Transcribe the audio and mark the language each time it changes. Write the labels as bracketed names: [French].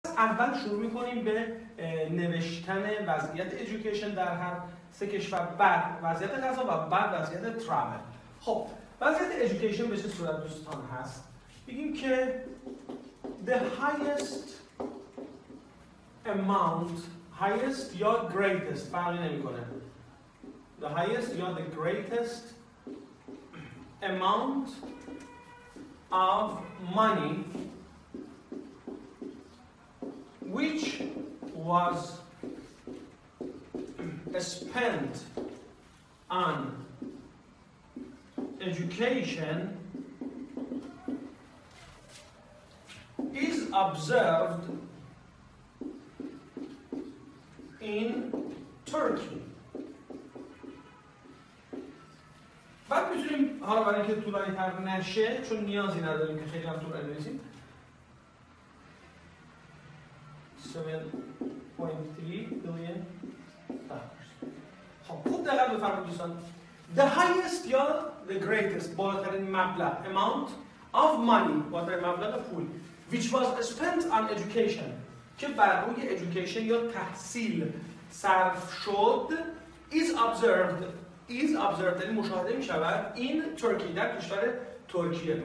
[Persian] اول شروع می‌کنیم به نوشتن وضعیت ایژوکیشن در هر سه کشور، بعد وضعیت غذا و بعد وضعیت ترامل. خب، وضعیت ایژوکیشن به چه صورت دوستان هست؟ بگیم که [English] the highest [Persian] یا greatest فرقی نمی‌کنه. [English] The highest یا the greatest amount of money which was spent on education is observed in Turkey. [Persian] بعد میتونیم، حالا برای اینکه طولانی تر نشه چون نیازی نداریم که خیلی هم طول بنویسیم، 7.3 بیلیون دلار. خب، خوب دقت بفرمایید دوستان. [English] The highest [Persian] یا [English] the greatest، [Persian] بالاترین مبلغ، [English] amount of money، [Persian] بالاترین مبلغ پول، [English] which was spent on education، [Persian] که بر روی education یا تحصیل صرف شد، [English] is observed [Persian] یعنی مشاهده می شود [English] in Turkey، [Persian] در کشور ترکیه.